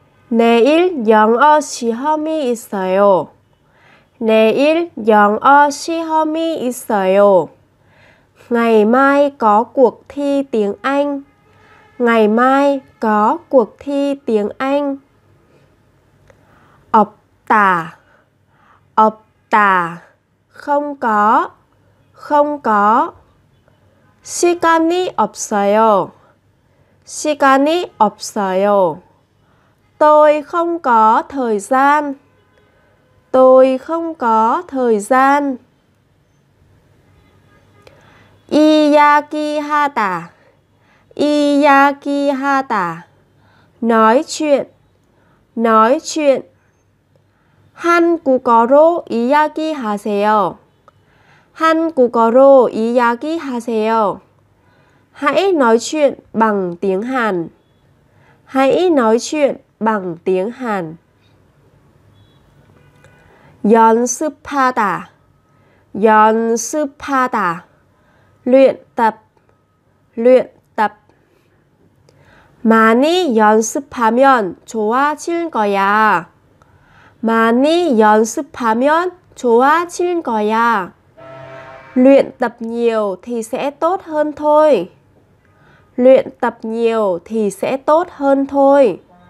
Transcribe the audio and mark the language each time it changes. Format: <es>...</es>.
<ko>내일 영어 시험이 있어요. 내일 영어 시험이 있어요.</ko> <vi>Ngày mai có cuộc thi tiếng Anh. Ngày mai có cuộc thi tiếng Anh.</vi> <ko>없다, 없다.</ko> <vi>Không có, không có.</vi> <ko>시간이 없어요. 시간이 없어요.</ko> <vi>Tôi không có thời gian. Tôi không có thời gian.</vi> <ko>이야기하다. 이야기하다.</ko> <vi>Nói chuyện. Nói chuyện.</vi> <ko>한국어로 이야기하세요. 한국어로 이야기하세요.</ko> <vi>Hãy nói chuyện bằng tiếng Hàn. Hãy nói chuyện bằng tiếng Hàn.</vi> <ko>연습하다. 연습하다.</ko> <vi>Luyện tập. Luyện tập.</vi> <ko>많이 연습하면 좋아질 거야. 많이 연습하면 좋아질 거야.</ko> <vi>Luyện tập nhiều thì sẽ tốt hơn thôi. Luyện tập nhiều thì sẽ tốt hơn thôi.</vi>